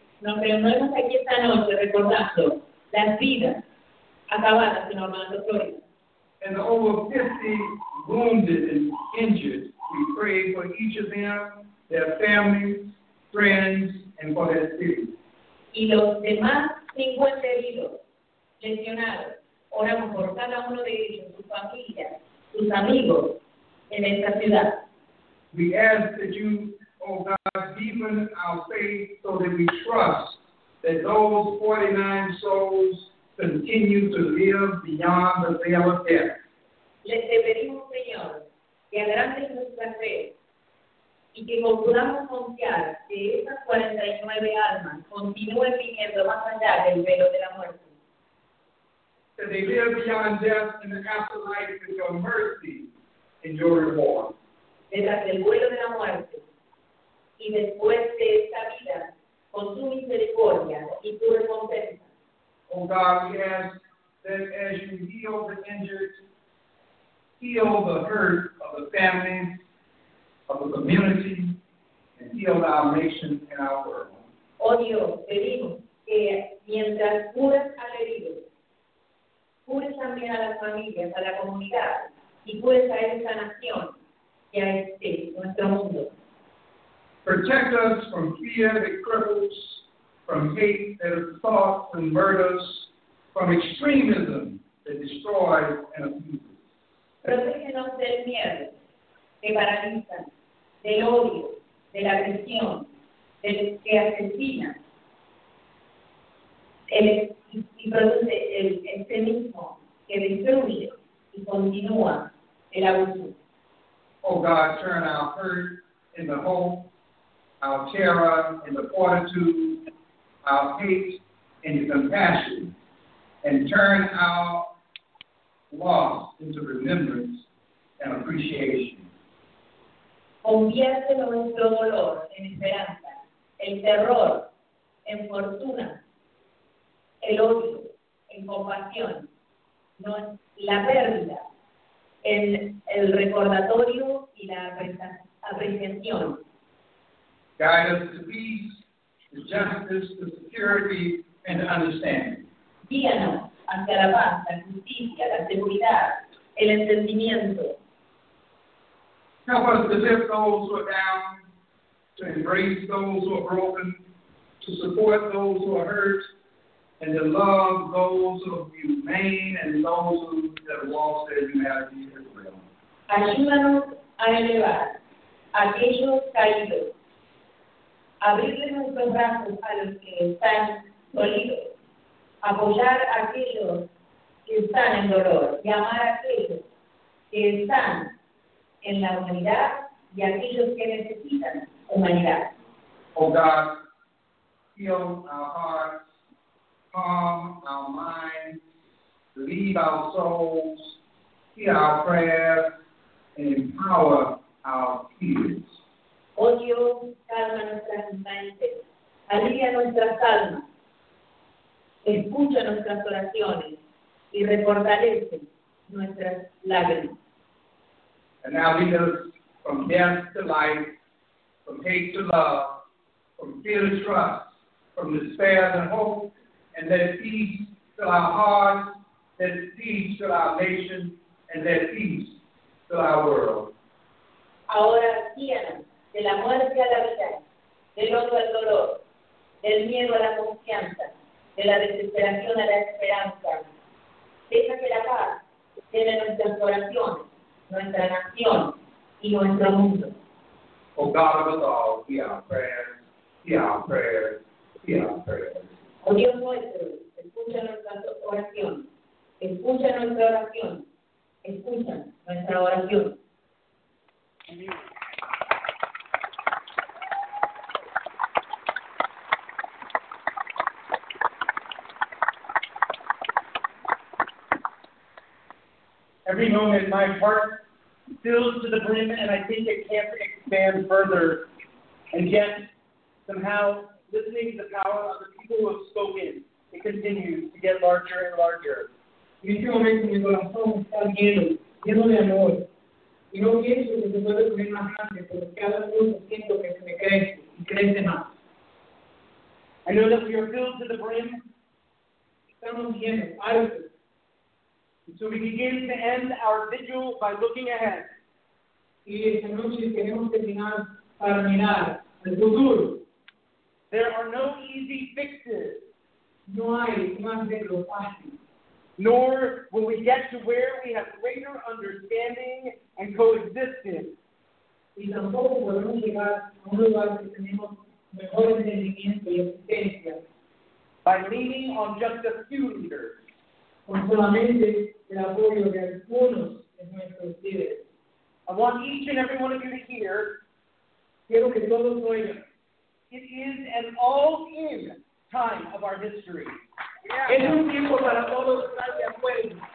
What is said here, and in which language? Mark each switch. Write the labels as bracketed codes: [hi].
[es] Nos reunimos aquí esta noche recordando las vidas acabadas en Orlando, Florida. [en] And over 50 wounded and injured, we pray for each of them, their families, friends, and for their cities. [es] Y los demás 50 heridos, lesionados, oramos por cada uno de ellos, su familia, sus amigos, en esta ciudad. [en] We ask that you, oh God, deepen our faith so that we trust that those 49 souls continue to live beyond the veil of death. [es] Les pedimos, Señor, que agrandes nuestra fe. Y que podamos confiar que esas 49 almas continúen viviendo más allá del velo de la muerte. [en] That they live beyond death in the afterlife with your mercy and your reward. [es] Detrás del velo de la muerte y después de esta vida, con tu misericordia y tu recompensa. [en] Oh God, we ask that as you heal the injured, heal the hurt of the family, of the community, and heal our nation and our world. [es] Oh Dios, pedimos que mientras curas al herido, cures también a las familias, a la comunidad, y cures a esa nación y a este nuestro mundo. [en] Protect us from fear that cripples, from hate that assaults and murders, from extremism that destroys and abuses. [es] Protégenos del miedo que paraliza, del odio, de la agresión, del que asesina, y produce este mismo que destruye y continúa el abuso. [en] Oh God, turn our hurt into hope, our terror into fortitude, our hate into compassion, and turn our loss into remembrance and appreciation. [es] Convierte nuestro dolor en esperanza, el terror en fortuna, el odio en compasión, la pérdida en el recordatorio y la apreciación. [en] Guide us to peace, to justice, to security, and understanding. [es] Guíanos hacia la paz, la justicia, la seguridad, el entendimiento. [en] Help us to lift those who are down, to embrace those who are broken, to support those who are hurt, and to love those who are humane and those who have lost their humanity as well. [es] Ayúdanos a elevar a aquellos caídos, abrirle nuestros brazos a los que están dolidos, apoyar a aquellos que están en dolor, y amar a aquellos que están en la humanidad y aquellos que necesitan humanidad. [en] Oh God, heal our hearts, calm our minds, lead our souls, hear our prayers, and empower our tears. [es] Oh Dios, calma nuestras mentes, alivia nuestras almas, escucha nuestras oraciones y refortalece nuestras lágrimas. [en] And now lead us from death to life, from hate to love, from fear to trust, from despair to hope, and let peace fill our hearts, let peace fill our nation, and let peace fill our world. [es] Ahora guíanos de la muerte a la vida, del odio al dolor, del miedo a la confianza, de la desesperación a la esperanza. Deja que la paz esté en nuestras corazones, nuestra nación y nuestro mundo. [en] O God of us all, hear our prayers, hear our prayers, hear our prayers. [es] O Dios nuestro, escucha nuestra oración, escucha nuestra oración, escucha nuestra oración. [en] Every moment my heart fills to the brim and I think it can't expand further. And yet, somehow, listening to the power of the people who have spoken, it continues to get larger and larger. [es] En este momento mi corazón está lleno, lleno de amor. Y no pienso que se puede poner más grande, pero cada uno siento que se me crece y crece más. [en] I know that we are filled to the brim. [es] Estamos llenos, altos. [en] So we begin to end our vigil by looking ahead. [es] Y esta noche queremos terminar para mirar el futuro. [en] There are no easy fixes. [es] No hay más de lo fácil. [en] Nor will we get to where we have greater understanding and coexistence. [es] Y tampoco podemos llegar a un lugar que tenemos mejor entendimiento y existencia. [en] By leaning on just a few leaders. [es] Con solamente el apoyo de algunos de nuestros líderes. [en] I want each and every one of you to hear. [es] Quiero que todos oigan. [en] It is an all-in time of our history. Yeah. [es] Es un tiempo para todos estar de acuerdo.